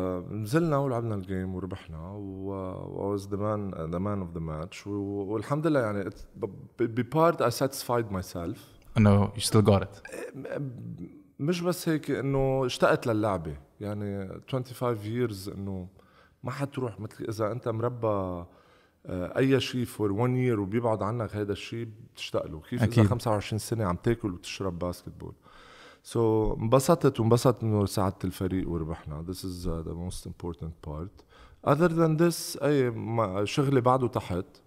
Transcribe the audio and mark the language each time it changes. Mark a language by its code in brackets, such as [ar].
[ar] نزلنا ولعبنا الجيم وربحنا و [en] I was the man of the match [ar] والحمد لله. يعني [en] بpart I satisfied myself. No, you still got it. [ar] مش بس هيك إنه اشتقت للعبة. يعني [en] 25 years [ar] إنه ما حتروح. مثل إذا أنت مربى أي شيء [en] for one year [ar] وبيبعد عنك هيدا الشيء بتشتقله. كيف أكيد. إذا 25 سنة عم تاكل وتشرب باسكتبول. [en] So [ar] انبسطت وانبسطت إنه ساعدت الفريق وربحنا. [en] This is the most important part. Other than this [ar] أي شغلي بعده تحت.